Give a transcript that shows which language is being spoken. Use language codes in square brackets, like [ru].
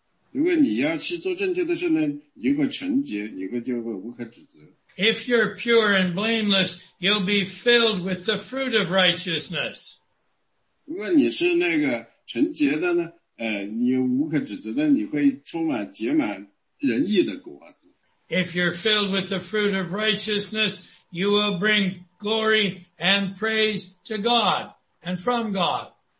[zh] 如果你要去做正确的事呢,你会纯洁,你会就会无可指责。 [en] If you're pure and blameless, you'll be filled with the fruit of righteousness. [zh] 如果你是那个纯洁的呢，你无可指责的，你会充满结满仁义的果子。 [en] If you're filled with the fruit of righteousness, you will bring glory and praise to God and from God.